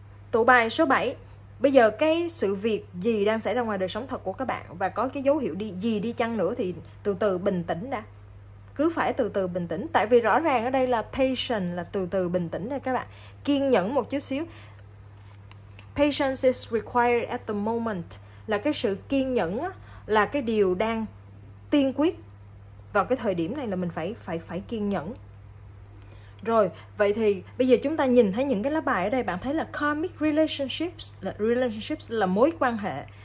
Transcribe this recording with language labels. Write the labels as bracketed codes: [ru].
[vi] Tụ bài số 7. Bây giờ cái sự việc gì đang xảy ra ngoài đời sống thật của các bạn và có cái dấu hiệu đi gì đi chăng nữa thì từ từ bình tĩnh đã. Cứ phải từ từ bình tĩnh. Tại vì rõ ràng ở đây là patience, là từ từ bình tĩnh đây các bạn. Kiên nhẫn một chút xíu. [en] Patience is required at the moment. [vi] Là cái sự kiên nhẫn á, là cái điều đang tiên quyết vào cái thời điểm này, là mình phải kiên nhẫn. Rồi, vậy thì bây giờ chúng ta nhìn thấy những cái lá bài ở đây, bạn thấy là [en] karmic relationships, [vi] là relationships là mối quan hệ.